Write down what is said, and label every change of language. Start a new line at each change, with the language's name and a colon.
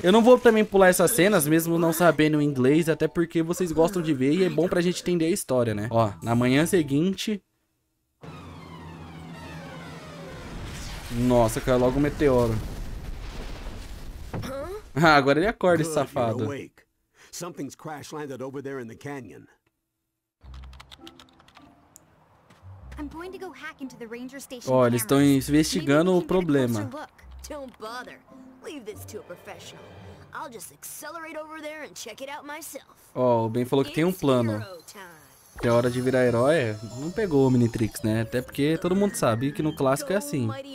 Portuguese: Eu não vou também pular essas cenas, mesmo não sabendo o inglês, até porque vocês gostam de ver e é bom pra gente entender a história, né? Ó, na manhã seguinte. Nossa, caiu logo um meteoro. Ah, agora ele acorda, esse safado.
English: Something's crash landed over there in the canyon. I'm going to go hack into the ranger station.
Portuguese: Ó, eles estão investigando o problema.
English: Don't bother. Leave this to a professional. I'll just accelerate over there and check it out myself.
Portuguese: Ó, o Ben falou que tem um plano. É hora de virar herói? Não pegou o Omnitrix, né? Até porque todo mundo sabe que no clássico é assim.